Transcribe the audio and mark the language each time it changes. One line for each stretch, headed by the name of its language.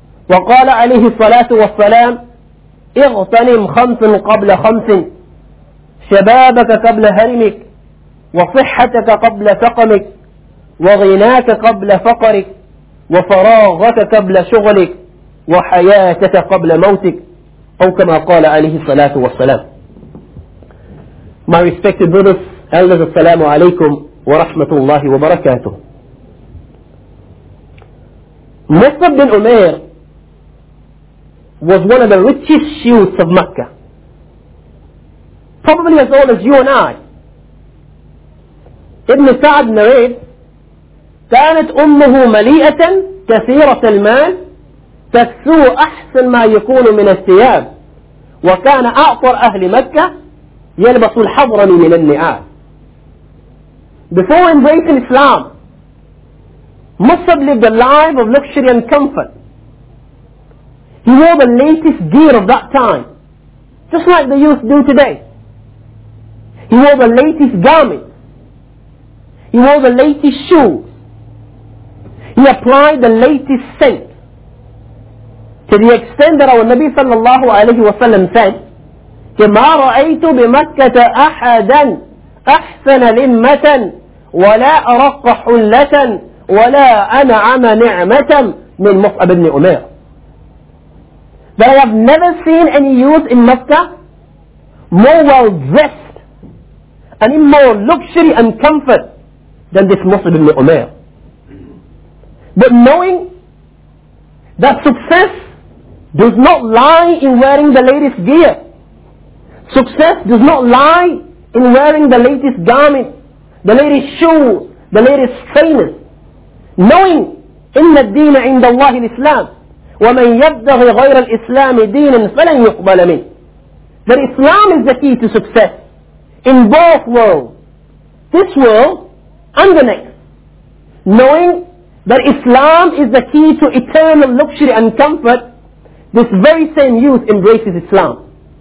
Arabic: وقال عليه الصلاة والسلام اغتنم خمس قبل خمس شبابك قبل هرمك وصحتك قبل سقمك وغناك قبل فقرك وفراغك قبل شغلك وحياتك قبل موتك أو كما قال عليه الصلاة والسلام
English: My respected brothers, elders, assalamu alaikum wa rahmatullahi wa barakatuh. Mus'ab bin Umair was one of the richest youths of Mecca. Probably as old as you and I.
Arabic: Ibn Sa'd narrates, كانت أمه مليئة كثيرة المال تكسو أحسن ما يكون من الثياب وكان أعطر أهل مكة يلبس الحضرم من النعال.
English: Before embracing Islam, Mus'ab lived a life of luxury and comfort. He wore the latest gear of that time, just like the youth do today. He wore the latest garments. He wore the latest shoes. He applied the latest scent. To the extent that our Nabi sallallahu alayhi wa sallam said,
Arabic: كما رأيت بمكة أحدا أحسن لمة ولا أرق حلة ولا أنعم نعمة من مصعب بن أمير
English: that I have never seen any youth in Mecca more well dressed and in more luxury and comfort than this Musab ibn Umair. But knowing that success does not lie in wearing the latest gear, success does not lie in wearing the latest garment, the latest shoes, the latest trainers.
Arabic: Knowing إِنَّ الدِّينَ عِنْدَ اللَّهِ الْإِسْلَامِ وَمَنْ يَبْدَغِ غَيْرَ الْإِسْلَامِ دِينًا فَلَنْ يُقْبَلَ مِنْهُ.
English: That Islam is the key to success in both worlds, this world and the next. Knowing that Islam is the key to eternal luxury and comfort, this very same youth embraces Islam.